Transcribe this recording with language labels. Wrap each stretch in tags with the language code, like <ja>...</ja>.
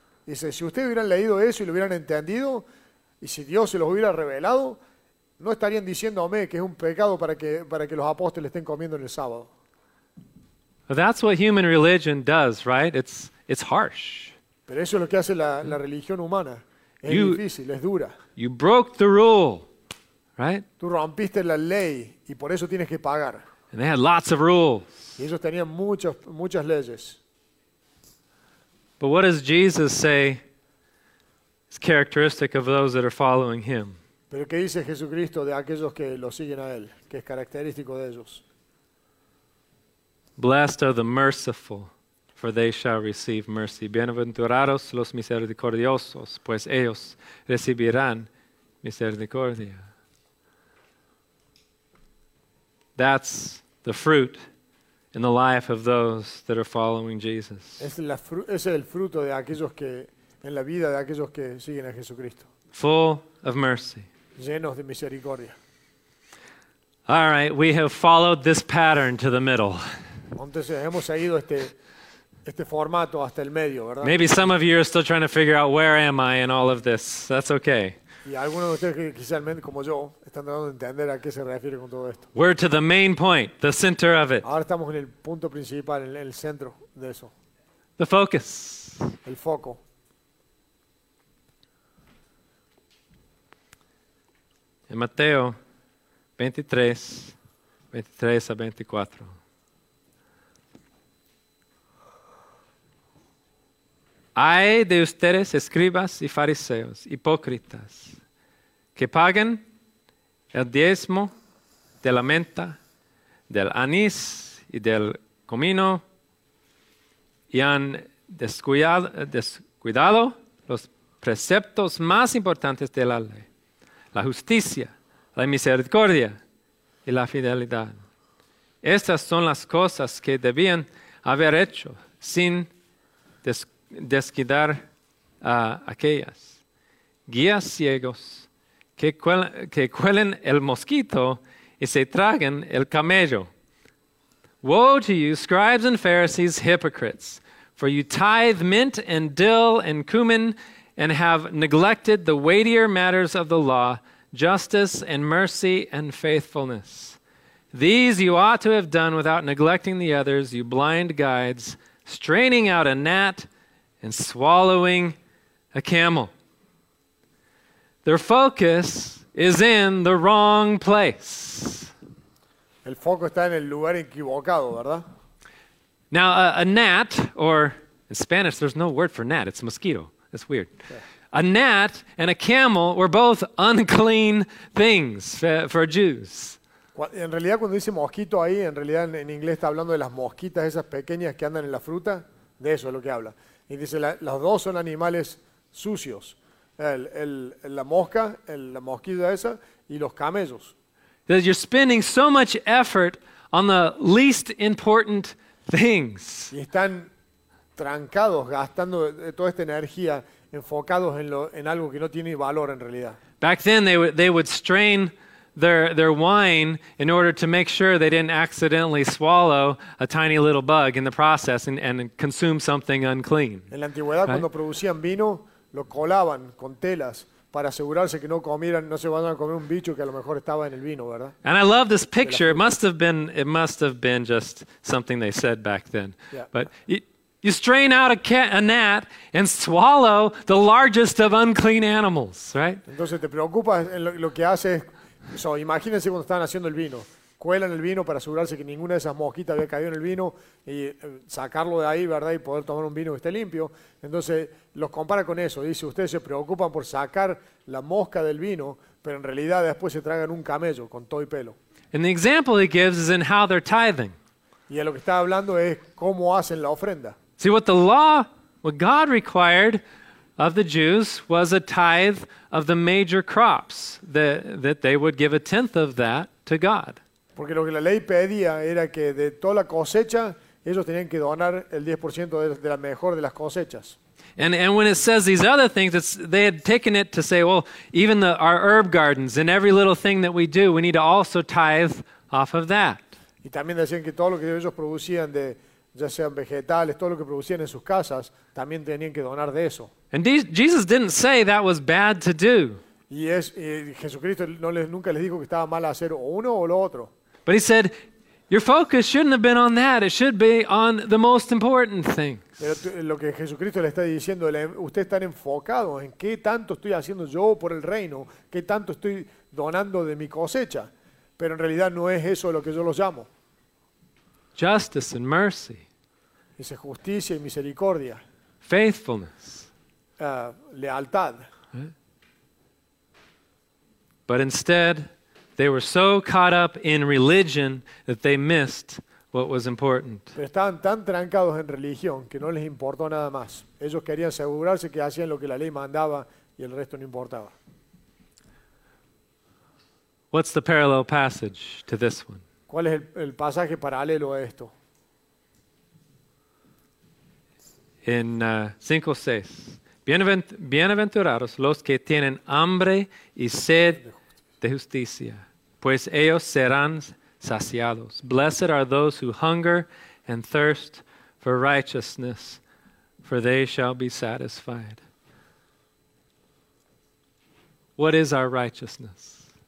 <es>Dice, si ustedes hubieran leído eso y lo hubieran entendido, y si Dios se los hubiera revelado, no estarían diciéndome que es un pecado para que los apóstoles estén comiendo en el sábado.</es> <en>That's what human religion does, right? It's harsh.</en> <es>Pero eso es lo que hace la religión humana. Es difícil, es dura.</es> <en>You broke the rule, right?</en> <es>Tú rompiste la ley y por eso tienes que pagar.</es> <en>And they had lots of rules.</en> <es>Y ellos tenían muchas leyes.</es> <en>But what does Jesus say is characteristic of those that are following him?</en> <es>Pero ¿qué dice Jesucristo de aquellos que lo siguen a él? ¿Qué es característico de ellos?</es> <en>Blessed are the merciful, for they shall receive mercy.</en> <es>Bienaventurados los misericordiosos, pues ellos recibirán misericordia.</es> <en>That's the fruit in the life of those that are following Jesus.</en> <es>Es el fruto de aquellos que en la vida de aquellos que siguen a Jesucristo.</es> <en>Full of mercy.</en> <es>Llenos de misericordia.</es> <en>All right, we have followed this pattern to the middle.</en> <es>Entonces hemos seguido este formato hasta el medio, ¿verdad?</es> <en>Maybe some of you are still trying to figure out where am I in all of this. That's okay.</en> <es>Y algunos de ustedes que quizás como yo están tratando de entender a qué se refiere con todo esto.</es> <en>We're to the main point, the center of it.</en> <es>Ahora estamos en el punto principal, en el centro de eso.</es> <en>The focus.</en> <es>El foco. En Mateo 23:23-24. Ay de ustedes, escribas y fariseos, hipócritas, que pagan el diezmo de la menta, del anís y del comino, y han descuidado los preceptos más importantes de la ley, la justicia, la misericordia y la fidelidad. Estas son las cosas que debían haber hecho sin descuidar a aquellas guías ciegos que cuelen el mosquito y se traguen el camello.</es> <en>Woe to you, scribes and Pharisees, hypocrites, for you tithe mint and dill and cumin and have neglected the weightier matters of the law, justice and mercy and faithfulness. These you ought to have done without neglecting the others, you blind guides, straining out a gnat and swallowing a camel. Their focus is in the wrong place.</en> <es>El foco está en el lugar equivocado, ¿verdad?</es> <en>Now, a gnat, or in Spanish, there's no word for gnat. It's mosquito. That's weird. Yeah. A gnat and a camel were both unclean things for Jews.</en> <es>En realidad, cuando dice mosquito ahí, en realidad en inglés está hablando de las mosquitas esas pequeñas que andan en la fruta. De eso es lo que habla. Y dice, los dos son animales sucios. La mosquita esa y los camellos.</es> <en>That you're spending so much effort on the least important things.</en> <es>Y están trancados, gastando toda esta energía enfocados en algo que no tiene valor en realidad.</es> <en>Back then they would strain their wine in order to make sure they didn't accidentally swallow a tiny little bug in the process and consume something unclean.</en> <es>En la antigüedad,</es> <en>right?</en> <es>Cuando producían vino, lo colaban con telas para asegurarse que no se van a comer un bicho que a lo mejor estaba en el vino, ¿verdad?</es> <en>And I love this picture. It must have been just something they said back then. Yeah. But you strain out a gnat and swallow the largest of unclean animals, right?</en> <es>Entonces te preocupas en lo que hace. So, imagínense cuando estaban haciendo el vino. Cuelan el vino para asegurarse que ninguna de esas mosquitas había caído en el vino y sacarlo de ahí, ¿verdad? Y poder tomar un vino que esté limpio. Entonces, los compara con eso. Dice, ustedes se preocupan por sacar la mosca del vino, pero en realidad después se tragan un camello con todo y pelo.</es> <en>And the example he gives is in how they're tithing.</en> <es>Y lo que está hablando es cómo hacen la ofrenda.</es> <en>See, what the law, what God required of the Jews was a tithe of the major crops, that they would give a tenth of that to God.</en> <es>Porque lo que la ley pedía era que de toda la cosecha ellos tenían que donar el 10% de la mejor de las cosechas.</es> <en>And when it says these other things, it's, they had taken it to say, well, even our herb gardens and every little thing that we do, we need to also tithe off of that.</en> <es>Y también decían que todo lo que ellos producían de ya sean vegetales, todo lo que producían en sus casas, también tenían que donar de eso.</es> <en>And Jesus didn't say that was bad to do.</en> <es>Y Jesucristo no les nunca les dijo que estaba mal hacer o uno o lo otro.</es> <en>But he said, your focus shouldn't have been on that. It should be on the most important things.</en> <es>Pero lo que Jesucristo le está diciendo, usted está enfocado en qué tanto estoy haciendo yo por el reino, qué tanto estoy donando de mi cosecha. Pero en realidad no es eso lo que yo los llamo.</es> <en>Justice and mercy.</en> <es>Dice justicia y misericordia.</es> <en>Faithfulness.</en> <es>Lealtad.</es> <en>But instead, they were so caught up in religion that they missed what was important.</en> <es>Pero estaban tan trancados en religión que no les importó nada más. Ellos querían asegurarse que hacían lo que la ley mandaba y el resto no importaba.</es> <en>What's the parallel passage to this one?</en> <es>¿Cuál es el pasaje paralelo a esto? En 5:6. Bienaventurados los que tienen hambre y sed de justicia, pues ellos serán saciados.</es> <en>Blessed are those who hunger and thirst for righteousness, for they shall be satisfied. What is our righteousness?</en>